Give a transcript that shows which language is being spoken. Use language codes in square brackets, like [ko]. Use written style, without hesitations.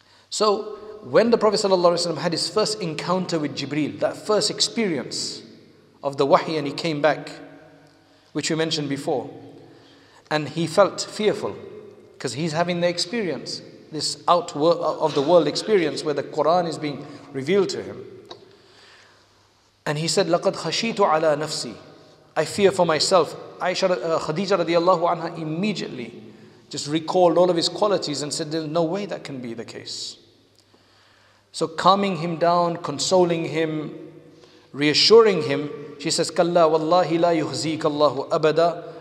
[en] So when the Prophet sallallahu alaihi wasallam had his first encounter with Jibreel, that first experience of the wahi, and he came back, which we mentioned before, and he felt fearful because he's having the experience, this out-of-the-world experience where the Qur'an is being revealed to him. And he said, [ar] لَقَدْ خَشِيتُ عَلَىٰ نَفْسِي. [en] I fear for myself. Aisha, Khadija radiallahu anha immediately just recalled all of his qualities and said, there's no way that can be the case. So calming him down, consoling him, reassuring him, she says, [ar] كَلَّا وَاللَّهِ لَا يُخْزِيكَ اللَّهُ أَبَدًا.